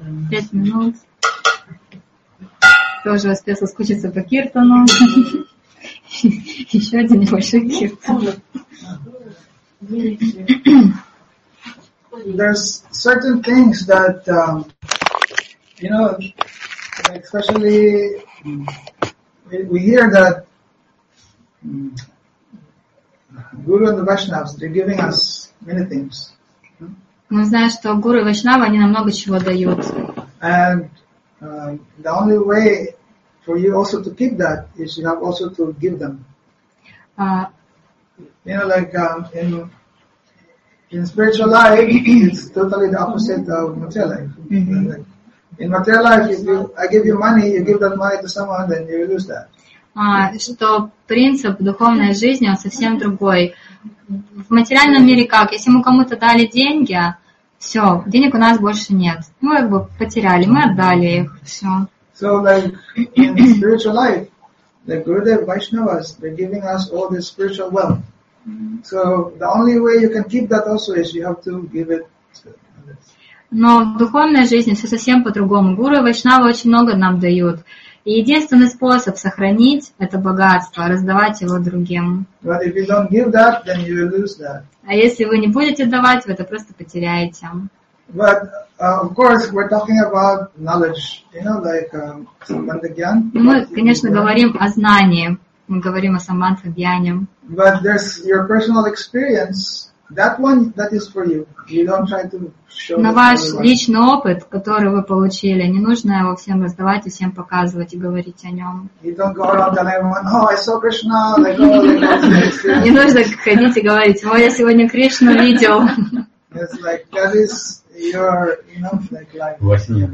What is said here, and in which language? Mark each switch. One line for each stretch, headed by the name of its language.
Russian: 5 минут. Тоже успел соскучиться по киртану. Еще один небольшой киртан.
English: There's certain things that you know, especially we hear that Guru and the Vaishnavas, they're giving us many things.
Russian: Мы знаем, что гуру и вайшнавы, они нам много чего дают.
English: And the only way for you also to keep that is you have also to give them. You know, like in spiritual life, it's totally the opposite of material life. Mm-hmm. In material life, if you, I give you money, you give that money to someone, then you lose that.
Russian: Что принцип духовной жизни, он совсем другой. В материальном мире как? Если мы кому-то дали деньги, все, денег у нас больше нет. Мы как бы потеряли, мы отдали их, все.
English: So like in spiritual life, the Gurudev Vaishnavas, they're giving us all this spiritual wealth. So the only way you can keep that also is you have to give it to others.
Russian: Но в духовной жизни все совсем по-другому. Гуру и Вайшнавы очень много нам дают. И единственный способ сохранить это богатство, раздавать его другим. А если вы не будете давать, вы это просто потеряете.
English: But of course we're talking about knowledge, you know, like самбандхьян.
Russian: Мы, конечно, говорим о знании. Мы говорим о самбандхьяне.
English: But there's your personal experience. That one, that is for you. You don't try to show.
Russian: На ваш личный опыт, который вы получили, не нужно его всем раздавать и всем показывать и говорить о нем.
English: You don't go around telling everyone, oh, I saw Krishna. Like, oh, like,
Russian: не нужно ходить и говорить, ой, я сегодня Кришну видел.
English: It's like that is your, you know, like life.